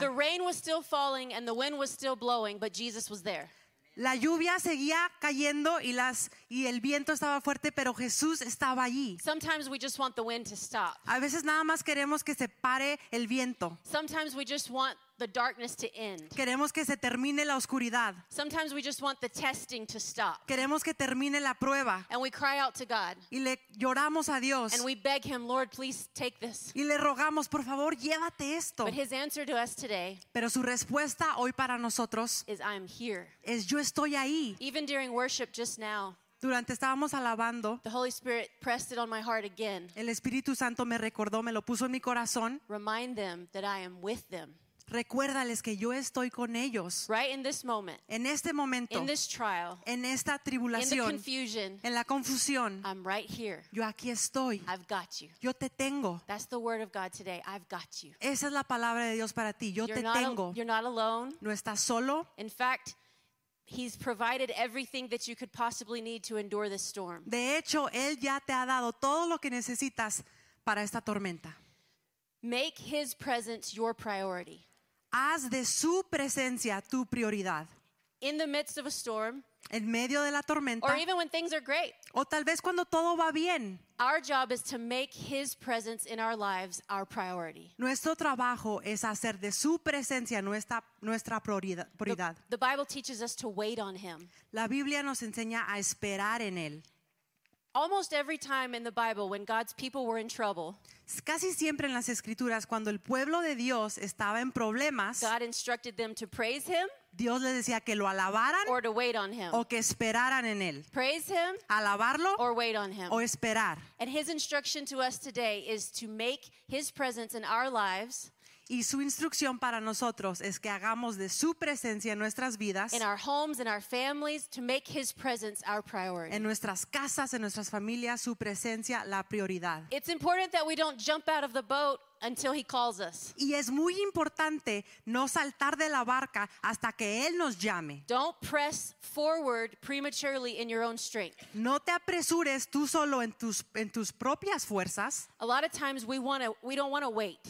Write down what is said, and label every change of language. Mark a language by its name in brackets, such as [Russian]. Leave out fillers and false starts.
[English] The rain was still falling and the wind was still blowing, but Jesus was there. [Spanish] La lluvia seguía cayendo y el viento estaba fuerte, pero Jesús estaba allí. [English] Sometimes we just want the wind to stop. [Spanish] A veces nada más queremos que se pare el viento. [English] Sometimes we just want the darkness to end. [Spanish] Queremos que se termine la oscuridad. [English] Sometimes we just want the testing to stop. [Spanish] Queremos que termine la prueba. [English] And we cry out to God. [Spanish] Y le lloramos a Dios. [English] And we beg him, Lord, please take this. [Spanish] Y le rogamos, por favor, llévate esto. [English] But his answer to us today, [Spanish] pero su respuesta hoy para nosotros, [English] is I am here. [Spanish] Es yo estoy ahí. [English] Even during worship just now, [Spanish] durante estábamos alabando, [English] the Holy Spirit pressed it on my heart again. [Spanish] El Espíritu Santo me recordó, me lo puso en mi corazón. [English] Remind them that I am with them. [Spanish] Recuérdales que yo estoy con ellos. [English] Right in this moment, [Spanish] en este momento, [English] in this trial, [Spanish] en esta tribulación, [English] in the confusion, [Spanish] en la confusión, [English] I'm right here. [Spanish] Yo aquí estoy. [English] I've got you. [Spanish] Yo te tengo. [English] That's the word of God today. I've got you. [Spanish] Esa es la palabra de Dios para ti. Yo [English] you're [Spanish] te tengo. [English] You're not alone. [Spanish] No estás solo. [English] In fact, he's provided everything that you could possibly need to endure this storm. [Spanish] De hecho, él ya te ha dado todo lo que necesitas para esta tormenta. [English] Make his presence your priority. [Spanish] Haz de su presencia tu prioridad. [English] In the midst of a storm, [Spanish] en medio de la tormenta, [English] or even when things are great, [Spanish] o tal vez cuando todo va bien, [English] our job is to make his presence in our lives our priority. [Spanish] Nuestro trabajo es hacer de su presencia nuestra prioridad. [English] The Bible teaches us to wait on him. [Spanish] La Biblia nos enseña a esperar en él. [English] Almost every time in the Bible when God's people were in trouble, [Spanish] casi siempre en las escrituras cuando el pueblo de Dios estaba en problemas, [English] God instructed them to praise him, [Spanish] Dios les decía que lo alabaran, [English] or to wait on him, [Spanish] o que esperaran en él, [English] praise him, [Spanish] alabarlo, [English] or wait on him, [Spanish] o esperar. [English] And his instruction to us today is to make his presence in our lives, [Spanish] y su instrucción para nosotros es que hagamos de su presencia en nuestras vidas, [English] in our homes, in our families, to make his presence our priority, [Spanish] en nuestras casas, en nuestras familias, su presencia la prioridad. [English] It's important that we don't jump out of the boat until he calls us. [Spanish] Y es muy importante no saltar de la barca hasta que él nos llame. [English] Don't press forward prematurely in your own strength. [Spanish] No te apresures tú solo en tus propias fuerzas. [English] A lot of times we don't want to wait.